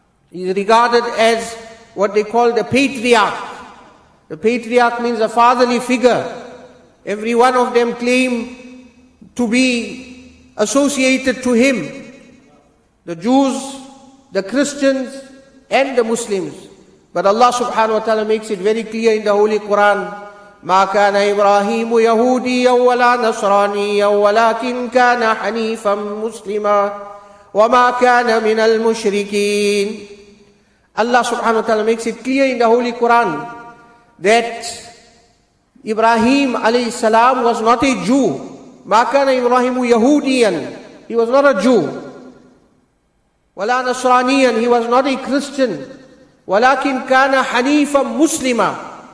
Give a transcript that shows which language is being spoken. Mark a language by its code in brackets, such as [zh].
[en] He is regarded as what they call the patriarch. The patriarch means a fatherly figure. Every one of them claim to be associated to him. The Jews, the Christians, and the Muslims. But Allah subhanahu wa ta'ala makes it very clear in the Holy Quran, [ar] مَا كَانَ إِبْرَاهِيمُ يَهُودِيًّا وَلَا نَصْرَانِيًّا وَلَكِنْ كَانَ حَنِيفًا مُسْلِمًا وَمَا كَانَ مِنَ الْمُشْرِكِينَ. [en] Allah subhanahu wa ta'ala makes it clear in the Holy Quran that Ibrahim alayhi salam was not a Jew. [ar] مَا كَانَ إِبْرَاهِيمُ يَهُودِيًا. [en] He was not a Jew. [ar] وَلَا نَصْرَانِيًا. [en] He was not a Christian. [ar] وَلَكِنْ كَانَ حَنِيفًا مُسْلِمًا.